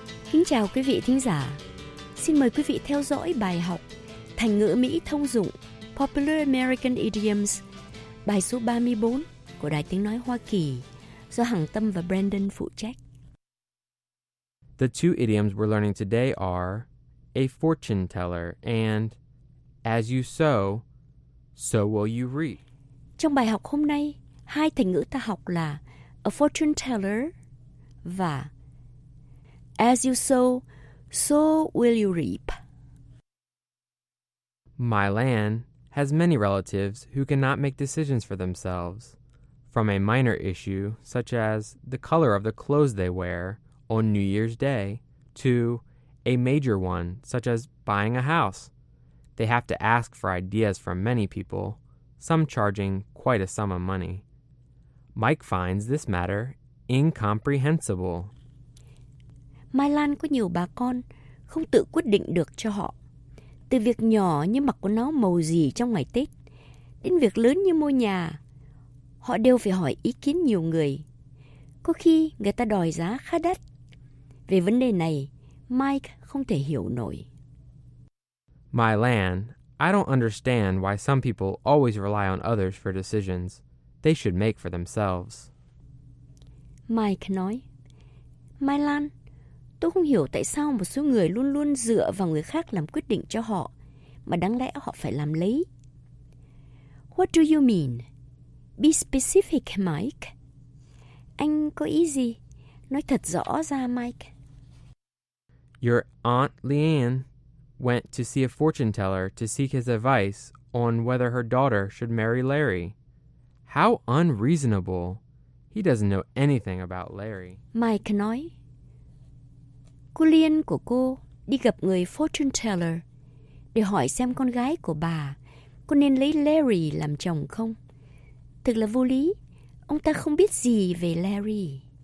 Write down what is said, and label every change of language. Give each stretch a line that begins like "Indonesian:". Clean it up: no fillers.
Vietnamese: Kính chào quý vị thính giả. Xin mời quý vị theo dõi bài học thành ngữ Mỹ thông dụng Popular American Idioms, bài số 34 của Đài Tiếng Nói Hoa Kỳ, do Hằng Tâm và Brandon phụ trách.
English: The two idioms we're learning today are a fortune teller and as you sow, so will you reap.
Vietnamese: Trong bài học hôm nay, hai thành ngữ ta học là
English: a fortune teller
Vietnamese: và
English: as you sow, so will you reap. My land has many relatives who cannot make decisions for themselves, from a minor issue such as the color of the clothes they wear on New Year's Day to a major one such as buying a house. They have to ask for ideas from many people, some charging quite a sum of money. Mike finds this matter incomprehensible.
Vietnamese: Mai Lan có nhiều bà con không tự quyết định được cho họ. Từ việc nhỏ như mặc quần áo màu gì trong ngày Tết, đến việc lớn như mua nhà, họ đều phải hỏi ý kiến nhiều người. Có khi người ta đòi giá khá đắt. Về vấn đề này, Mike không thể hiểu nổi.
English: My land, I don't understand why some people always rely on others for decisions they should make for themselves.
Vietnamese: Mike nói, My land, tôi không hiểu tại sao một số người luôn luôn dựa vào người khác làm quyết định cho họ, mà đáng lẽ họ phải làm lấy.
English: What do you mean? Be specific, Mike.
Vietnamese: Anh có ý gì? Nói thật rõ ra, Mike.
English: Your aunt Leanne went to see a fortune teller to seek his advice on whether her daughter should marry Larry. How unreasonable. He doesn't know anything about Larry.
Vietnamese: Mike nói, cô Liên của cô đi gặp người fortune teller để hỏi xem con gái của bà có nên lấy Larry làm chồng không. Thực là vô lý, ông ta không biết gì về Larry.